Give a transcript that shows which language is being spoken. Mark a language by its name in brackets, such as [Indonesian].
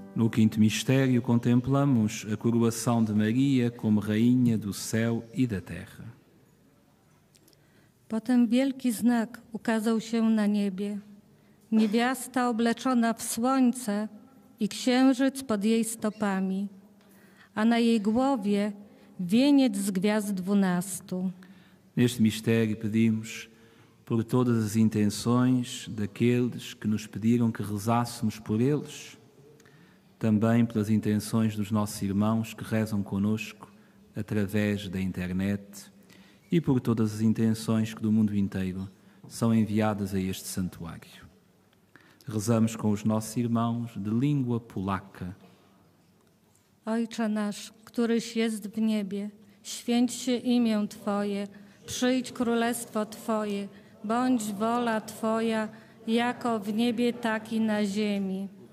[Portuguese] Quinto mistério, contemplamos a coroação de Maria como Rainha do Céu e da Terra. [Polish] Potem wielki znak ukazał się na niebie. Niewiasta obleczona w słońce i księżyc pod jej stopami, a na jej głowie wieniec z gwiazd dwunastu. [Portuguese] Neste mistério pedimos por todas as intenções daqueles que nos pediram que rezássemos por eles, também pelas intenções dos nossos irmãos que rezam conosco através da internet e por todas as intenções que do mundo inteiro são enviadas a este santuário. Rezamos com os nossos irmãos de língua polaca. [Polish] Ojcze nasz, któryś jest w niebie, święć się imię Twoje, przyjdź królestwo Twoje, bądź wola Twoja, jako w niebie, tak i na ziemi.